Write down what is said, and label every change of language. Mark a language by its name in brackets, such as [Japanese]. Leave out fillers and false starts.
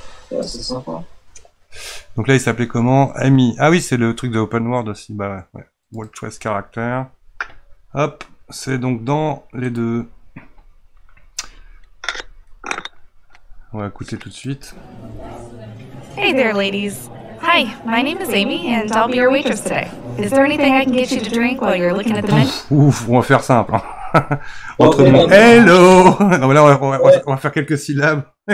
[French] Ouais, c'est sympa. Donc là, il s'appelait comment? Amy. Ah oui, c'est le truc de Open World aussi. Bah ouais. World Choice Character. Hop, c'est donc dans les deux. On va écouter tout de suite. [English] Hey there, ladies. Hi, my name is Amy, and I'll be your waitress today. Is there anything I can get you to drink while you're looking at the menu? [French] Ouf, on va faire simple. Autrement, okay. Hello. Non, mais là, on va faire quelques syllabes.